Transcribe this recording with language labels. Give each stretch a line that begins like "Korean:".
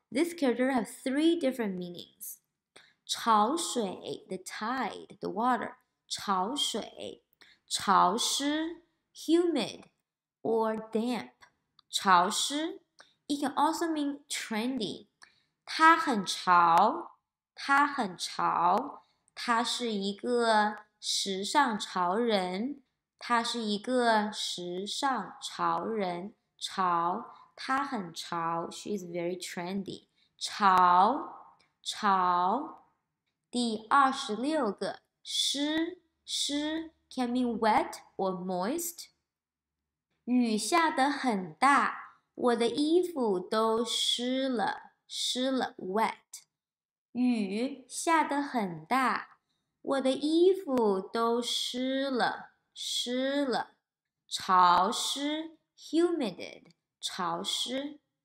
English: This character have three different meanings. 潮水 ，the tide, the water.
Chinese: 潮水，潮湿 ，humid。
English: Or damp, 潮湿 It can also mean trendy.
Chinese: 它很潮，它很潮。它是一个时尚潮人，它是一个时尚潮人。潮，它很潮。
English: She is very trendy.
Chinese: 潮，潮。第二十六个，湿，湿
English: can mean wet or moist.
Chinese: 雨下得很大，我的衣服都湿了，湿了 ，wet。雨下得很大，我的衣服都湿了，湿了，潮湿 ，humided， 潮湿。